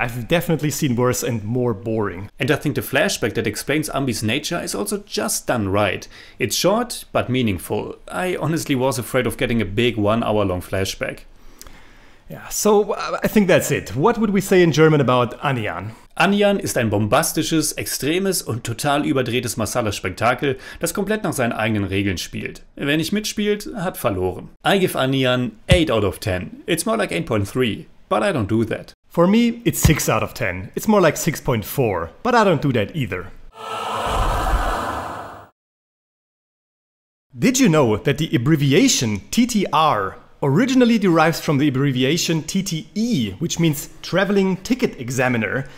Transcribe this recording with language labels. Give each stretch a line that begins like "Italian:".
English: I've definitely seen worse and more boring. And I think the flashback that explains Ambi's nature is also just done right. It's short, but meaningful. I honestly was afraid of getting a big 1-hour long flashback. Yeah, so I think that's it. What would we say in German about Anniyan?
German: Anniyan ist ein bombastisches, extremes und total überdrehtes Masala-Spektakel, das komplett nach seinen eigenen Regeln spielt. Wer nicht mitspielt, hat verloren.
English: I give Anniyan 8 out of 10. It's more like 8.3, but I don't do that. For me, it's 6 out of 10. It's more like 6.4, but I don't do that either. Did you know that the abbreviation TTR originally derives from the abbreviation TTE, which means Traveling Ticket Examiner?